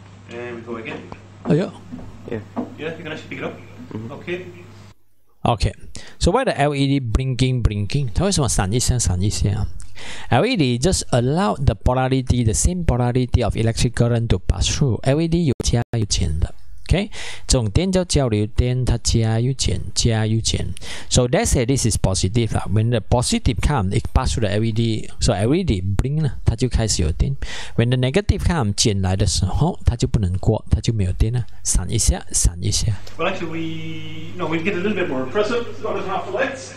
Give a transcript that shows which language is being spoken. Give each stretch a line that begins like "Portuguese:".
English: And we go again. Oh, yeah. Yeah, you can actually pick it up. Mm-hmm. Okay. Okay. So why the LED blinking?
Chinese: 它为什么闪一声啊?
English: LED just allow the polarity, the same polarity of electric current to pass through.
Chinese: LED 有加有减的。
English: Okay?
Chinese: 这种电叫交流电，它加又减，加又减。
English: So let's say this is positive. When the positive comes, it pass through the LED. So LED blink
Chinese: 了，它就开始有电。
English: When the negative comes,
Chinese: 减来的时候，它就不能过，它就没有电了。闪一下，闪一下。
English: Well, actually, we get a little bit more impressive. It's about as half the lights.